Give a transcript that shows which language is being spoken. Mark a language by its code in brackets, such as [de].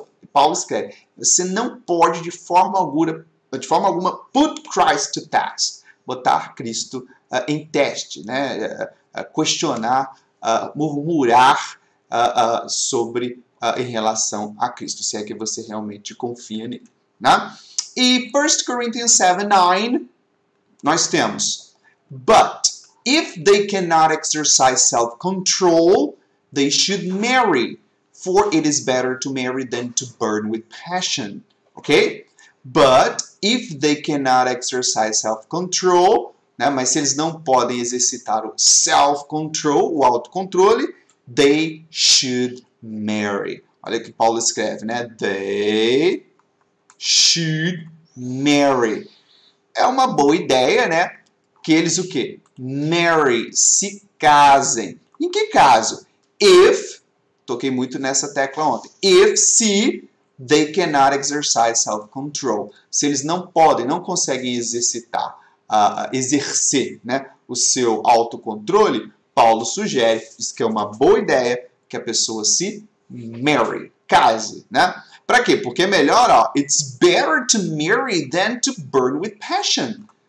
[pt] Então, Paulo escreve, você não pode de forma alguma [en] put Christ to test, [pt] botar Cristo em teste, né, questionar, murmurar sobre em relação a Cristo, se é que você realmente confia nele. Né? E 1 Coríntios 7:9, nós temos, [en] but if they cannot exercise self-control, they should marry, for it is better to marry than to burn with passion. Ok? But if they cannot exercise self-control, né? [pt] Mas se eles não podem exercitar o self-control, o autocontrole, [en] they should marry. [pt] Olha o que Paulo escreve, né? [en] They should marry. [pt] É uma boa ideia, né? Que eles o quê? Marry, se casem. Em que caso? If, toquei muito nessa tecla ontem, if, se, [en] they cannot exercise self-control. [pt] Se eles não podem, não conseguem exercitar, exercer, né, o seu autocontrole, Paulo sugere, diz que é uma boa ideia que a pessoa se marry, case, né? Pra quê? Porque é melhor, ó, [en] it's better to marry than to burn with passion.